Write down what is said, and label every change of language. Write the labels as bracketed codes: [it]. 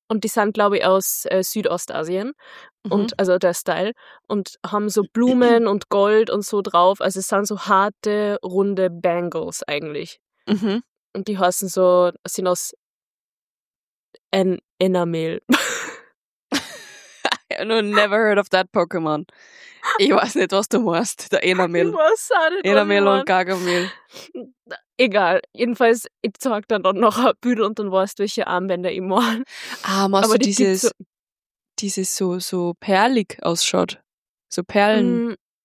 [de] Und die sind, glaube ich, aus Südostasien. Und also der Style. Und haben so Blumen und Gold und so drauf. Also es sind so harte, runde Bangles eigentlich. Und die heißen so, sind aus Enamel. [en] I've never heard of that Pokémon. [de] Ich weiß nicht, was du meinst, der Enamel. Enamel und Gargamel. Egal, jedenfalls, ich zeig dann auch noch ein Bild und dann weißt du, welche Armbänder ich mache. Ah, machst aber du dieses so perlig ausschaut? So Perlen?